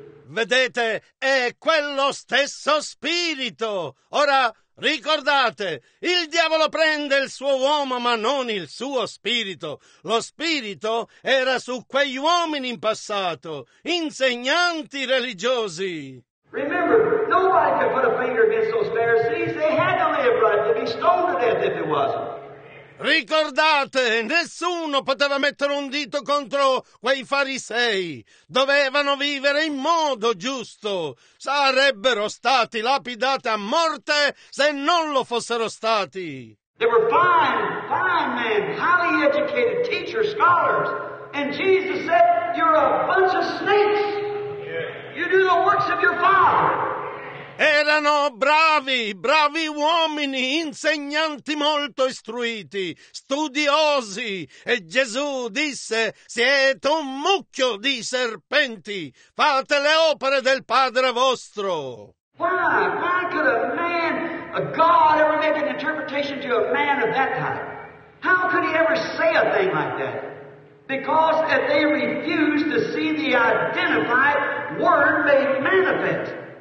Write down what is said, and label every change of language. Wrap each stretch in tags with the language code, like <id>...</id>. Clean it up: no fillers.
<it>Vedete, è quello stesso spirito. Ora, ricordate, il diavolo prende il suo uomo, ma non il suo spirito. Lo spirito era su quegli uomini in passato, insegnanti religiosi.</it> <en>Remember, nobody could put a finger against those Pharisees. They had to live right. They'd be stoned to death if it wasn't.</en> <it>Ricordate, nessuno poteva mettere un dito contro quei farisei. Dovevano vivere in modo giusto. Sarebbero stati lapidati a morte se non lo fossero stati.</it> <en>They were fine men, highly educated teachers, scholars. And Jesus said, you're a bunch of snakes. You do the works of your father.</en> <it>Erano bravi uomini, insegnanti molto istruiti, studiosi. E Gesù disse, siete un mucchio di serpenti, fate le opere del Padre vostro.</it> <en>Why could a man, a God, ever make an interpretation to a man of that time? How could he ever say a thing like that? Because if they refused to see the identified word made manifest.</en>